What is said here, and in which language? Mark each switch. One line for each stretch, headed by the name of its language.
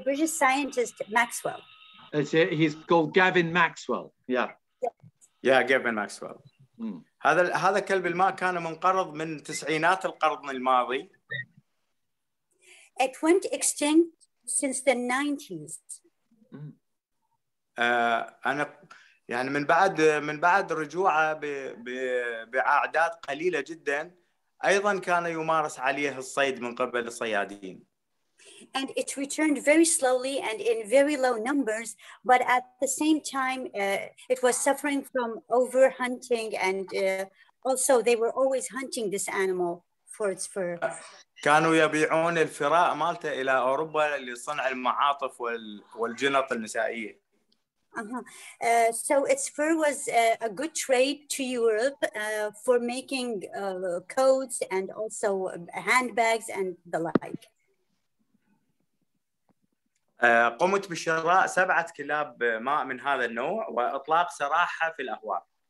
English: British scientist Maxwell. He's called Gavin Maxwell. Yeah. Yeah, Gavin Maxwell.
Arabic: هذا كلب الماء كان منقرض من تسعينات القرن الماضي.
English: It went extinct since the 90s.
Arabic: أنا يعني من بعد رجوعه بأعداد قليلة جدا. أيضا كان يمارس عليه الصيد من قبل الصيادين.
English: And it returned very slowly and in very low numbers, but at the same time, it was suffering from overhunting and also they were always hunting this animal for its fur.
Arabic: كانوا يبيعون الفراء مالته إلى أوروبا لصنع المعاطف والجنط النسائية.
English: So its fur was a good trade to Europe for making coats and also handbags and the like.
Arabic: قمت بشراء سبعة كلاب ماء من هذا النوع وإطلاق سراحها في الأهواء.